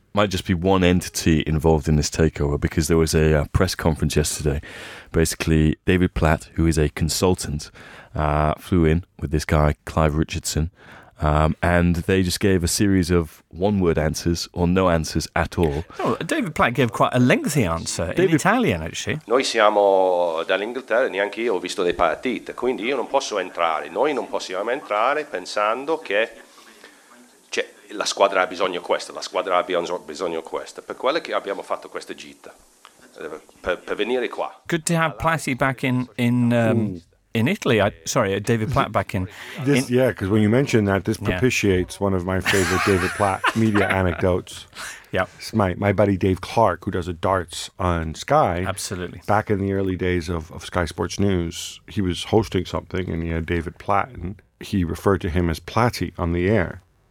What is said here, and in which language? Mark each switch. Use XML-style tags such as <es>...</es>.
<en>Might just be one entity involved in this takeover, because there was a press conference yesterday. Basically, David Platt, who is a consultant, flew in with this guy, Clive Richardson, and they just gave a series of one-word answers or no answers at all. Oh, David Platt gave quite a lengthy answer in Italian, actually.</en> <it>Noi siamo dall'Inghilterra, neanche io ho visto le partite, quindi io non posso entrare. Noi non possiamo entrare pensando che la squadra ha bisogno questo, la squadra ha bisogno questo. Per quello che abbiamo fatto questa gita, per venire qua.</it> <en>Good to have Platy back in Italy. David Platt back in. Yeah, because when you mentioned that, this propitiates one of my favorite David Platt media anecdotes. Yeah. It's my buddy Dave Clark, who does a darts on Sky. Absolutely. Back in the early days of Sky Sports News, he was hosting something and he had David Platt and he referred to him as Platy on the air.</en>